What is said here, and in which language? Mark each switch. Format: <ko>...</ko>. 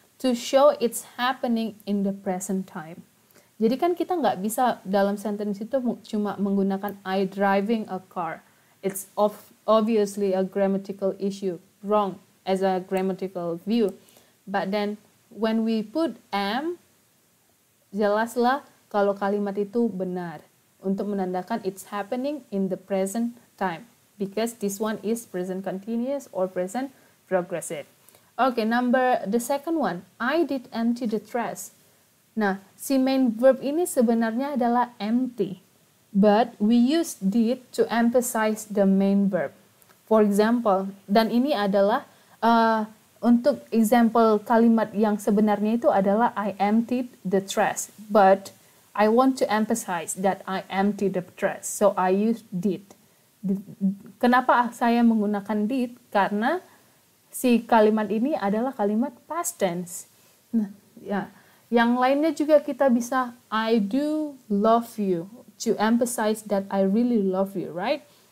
<en>To show it's happening in the present time.</en> <id>Jadi kan kita nggak bisa dalam sentence itu cuma menggunakan</id> <en>I driving a car. It's obviously a grammatical issue. Wrong as a grammatical view. But then when we put am,</en> <id>jelaslah kalau kalimat itu benar. Untuk menandakan</id> <en>it's happening in the present time. Because this one is present continuous or present progressive. Okay, number the second one. I did empty the trash.</en> <id>Nah, si main verb ini sebenarnya adalah empty.</id> <en>But we use did to emphasize the main verb. For example,</en> <id>dan ini adalah untuk example kalimat yang sebenarnya itu adalah</id> <en>I emptied the trash. But I want to emphasize that I emptied the trash. So I use did.</en> <id>Kenapa saya menggunakan did? Karena si kalimat ini adalah kalimat past tense. Nah, ya. Yang lainnya juga kita bisa,</id> <en>I do love you, to emphasize that I really love you, right?</en>